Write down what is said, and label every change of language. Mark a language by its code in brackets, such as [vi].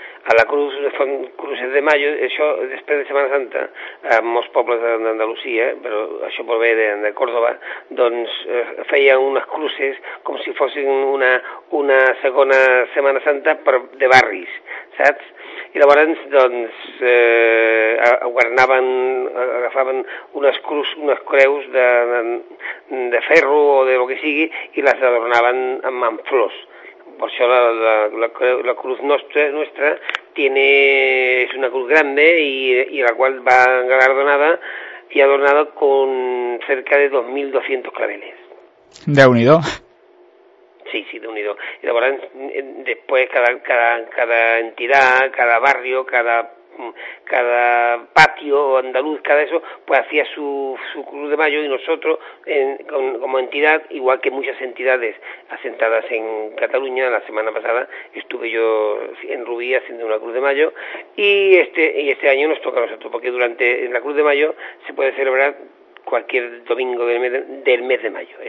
[es] A la Cruz, son cruces de Mayo, eso después de Semana Santa, a muchos pueblos de Andalucía, pero eso por ver de Córdoba, donde feían unas cruces como si fuesen una segunda Semana Santa de barris, ¿sabes? [ca] I llavors, doncs, agafaven unes creus de ferro o de lo que sigui i les adornaven amb flors. Per això la cruz nostra és una cruz grande i la qual va galardonada i adornada [es] con cerca de 2.200 claveles. [ca] Déu-n'hi-do. Sí, déu-n'hi-do. I llavors, després, cada entitat, cada barri, [es] cada patio andaluz, cada eso, pues hacía su Cruz de Mayo, y nosotros, como entidad, igual que muchas entidades asentadas en Cataluña, la semana pasada estuve yo en Rubí haciendo una Cruz de Mayo, y este año nos toca a nosotros, porque durante la Cruz de Mayo se puede celebrar cualquier domingo del mes de mayo.